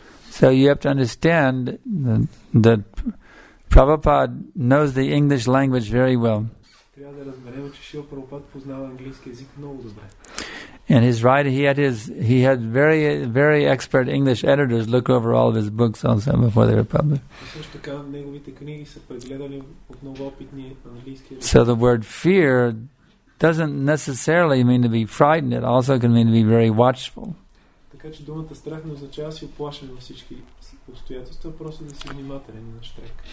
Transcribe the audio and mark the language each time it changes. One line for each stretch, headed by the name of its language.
English: So you have to understand that Prabhupada knows the English language very well.
Bulgarian: Трябва да разберем, че Шил Прабхупад познава английски език много добре.
English: And his writer, he had very, very expert English editors look over all of his books also before they were published.
Bulgarian: Също така, неговите книги са прегледали от много опитни английски
English: editors. So the word fear doesn't necessarily mean to be frightened. It also can mean to be very watchful.
Bulgarian: Така че думата страх не означава си оплашен на всички обстоятелства, просто да си внимателен на штрек.